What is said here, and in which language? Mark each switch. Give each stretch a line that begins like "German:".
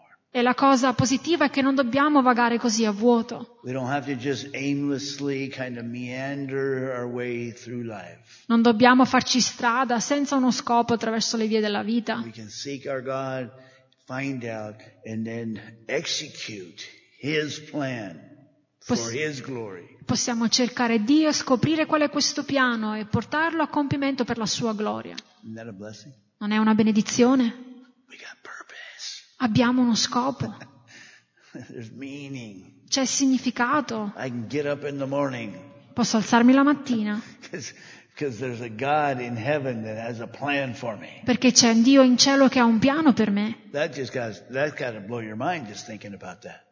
Italian: E la cosa positiva è che non dobbiamo vagare così a vuoto. Non dobbiamo farci strada senza uno scopo attraverso le vie della vita. Possiamo cercare il Signore.
English: Find out and then execute his plan for his glory.
Italian: Possiamo cercare Dio, scoprire qual è questo piano e portarlo a compimento per la sua gloria.
English: Isn't that a blessing?
Italian: Non è una benedizione?
English: We got purpose.
Italian: Abbiamo uno scopo.
English: There's meaning.
Italian: C'è significato.
English: I can get up in the morning.
Italian: Posso alzarmi la mattina.
English: Because there's a God in heaven that has a plan for me.
Italian: Perché c'è un Dio in cielo che ha un piano per me.
English: That's got to blow your mind just thinking about that.